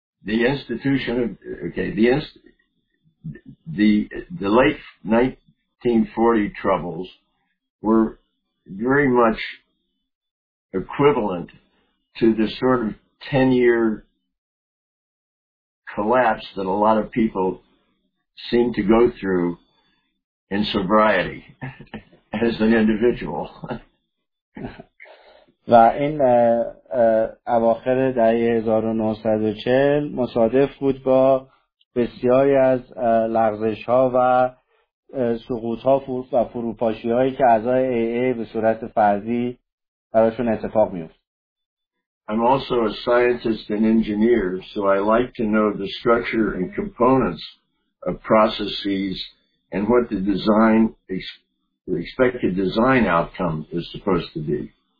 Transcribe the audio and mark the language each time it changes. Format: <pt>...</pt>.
<en>The institution of the late 1940 troubles were very much equivalent to the sort of 10-year collapse that a lot of people seem to go through in sobriety as an individual.</en> <fa>و این اواخر دهه 1940 مصادف بود با بسیاری از لغزش ها و سقوط ها و فروپاشی هایی که اعضای AA به صورت فردی براشون اتفاق می افتد.</fa> <en>I'm also a scientist and engineer, so I like to know the structure and components of processes and what the design, the expected design outcome is supposed to be.</en>